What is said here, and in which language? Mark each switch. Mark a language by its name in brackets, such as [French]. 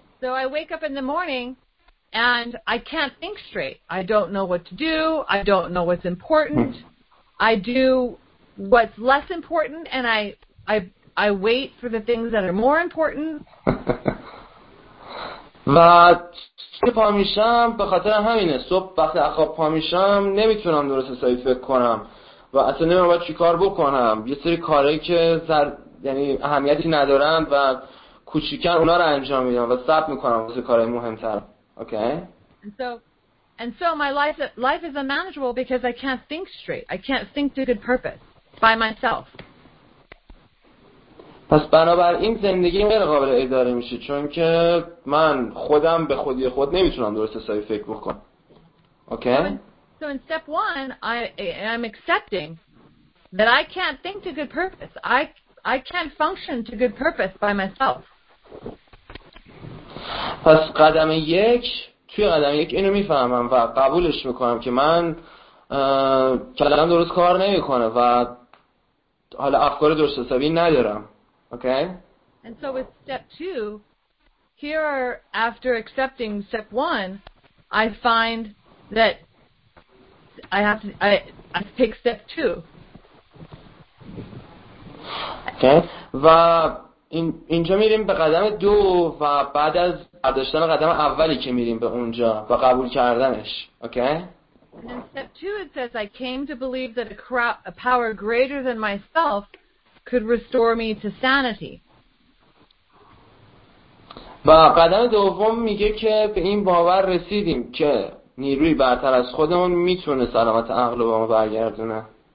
[English] So I wake up in the morning and I can't think straight. I don't know what to do. I don't know what's important. I do what's less important and I wait for the things that are more important. [Persian] و صبح پا میشم به خاطر همینه، صبح وقتی خواب پا میشم نمیتونم درست حسابی فکر کنم و اصلا نمیدونم چی کار بکنم، یه سری کارهایی که سر یعنی اهمیتی ندارن و کوچیکن اونا رو انجام میدم و صبر میکنم واسه کارهای مهمتر. [English] Okay? And so my life is unmanageable because I can't think straight. I can't think to good purpose by myself. [Persian] پس بنابراین زندگی غیر قابل اداره میشه چون که من خودم به خودی خود نمیتونم درست حسابی فکر بکنم. [English] Okay? So in step one, I'm accepting that I can't think to good purpose. I can't function to good purpose by myself. [Persian] پس قدم یک، توی قدم یک اینو میفهمم و قبولش میکنم که من کلام درست کار نمیکنه و حالا افکار درست حسابی ندارم. [English] Okay. And so with step two, here after accepting step one, I find that I take step two. Okay. [Persian] و اینجا میریم به قدم دو و بعد از برداشتن قدم اولی که میریم به اونجا و قبول کردنش. [English] Okay. And in step two, it says I came to believe that a power greater than myself could restore me to sanity. [Persian] و قدم دوم میگه که به این باور رسیدیم که نیروی برتر از خودمون میتونه سلامت عقل رو برگردونه.